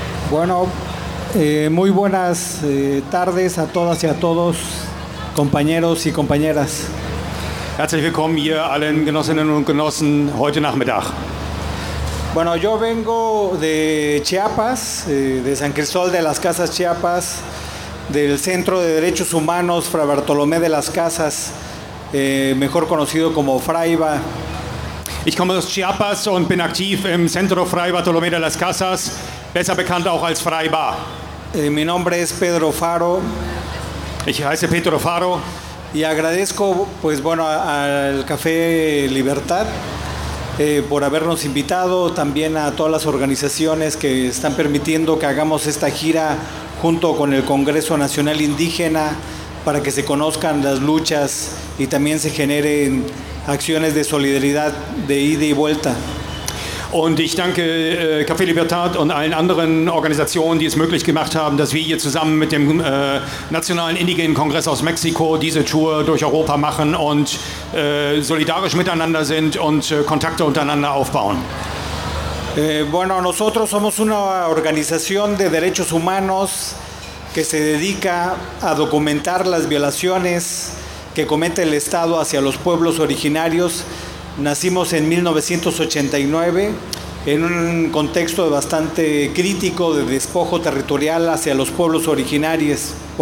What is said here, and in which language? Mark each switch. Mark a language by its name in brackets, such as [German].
[Spanish] Bueno, muy buenas tardes a todas y a todos, compañeros y compañeras. [German] Herzlich willkommen hier allen Genossinnen und Genossen heute Nachmittag. [Spanish] Bueno, yo vengo de Chiapas, de San Cristóbal de las Casas, Chiapas, del Centro de Derechos Humanos Fray Bartolomé de las Casas, mejor conocido como Fraiba. [German] Ich komme aus Chiapas und bin aktiv im Centro Fray Bartolomé de las Casas. Besser bekannt auch als Fraiba. [Spanish] Mi nombre es Pedro Faro. [German] Ich heiße Pedro Faro. [Spanish] Y agradezco, pues bueno, al Café Libertad por habernos invitado, también a todas las organizaciones que están permitiendo que hagamos esta gira junto con el Congreso Nacional Indígena para que se conozcan las luchas y también se generen acciones de solidaridad de ida y vuelta. [German] Und ich danke Café Libertad und allen anderen Organisationen, die es möglich gemacht haben, dass wir hier zusammen mit dem Nationalen Indigenen Kongress aus Mexiko diese Tour durch Europa machen und solidarisch miteinander sind und Kontakte untereinander aufbauen. [Spanish] Bueno, nosotros somos una organización de derechos humanos que se dedica a documentar las violaciones que comete el Estado hacia los pueblos originarios Nacimos en 1989 en un contexto bastante crítico de despojo territorial hacia los pueblos originarios.